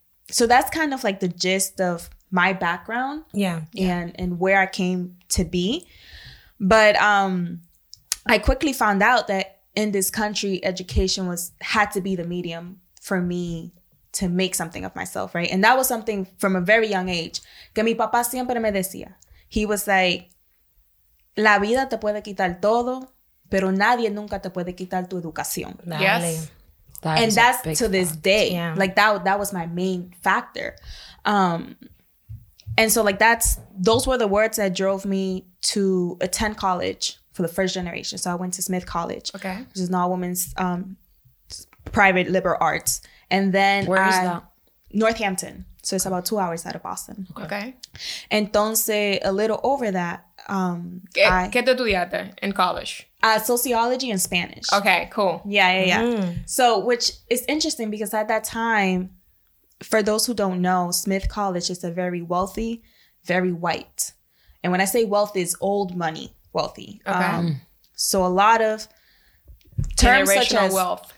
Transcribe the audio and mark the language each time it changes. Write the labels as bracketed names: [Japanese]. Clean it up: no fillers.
[English] So that's kind of like the gist of my background and where I came to be. But I quickly found out that in this country, education had to be the medium for me to make something of myself, right? And that was something from a very young age [Spanish] que mi papá siempre me decía. [English] He was like, [Spanish] la vida te puede quitar todo, pero nadie nunca te puede quitar tu educación. [English] Yes. That and that's to factor. This day. Yeah. Like that was my main factor. And so like those were the words that drove me to attend college for the first generation. So I went to Smith College. Okay. Which is an all-women's private liberal arts. And then where is that? Northampton. So it's about 2 hours out of Boston. Okay. Entonces, a little over that. [Spanish] ¿Qué te estudiaste [English] in college? Sociology and Spanish. Okay, cool. Yeah. Mm. So, which is interesting because at that time, for those who don't know, Smith College is a very wealthy, very white. And when I say wealthy, it's old money wealthy. Okay. So a lot of terms such as wealth.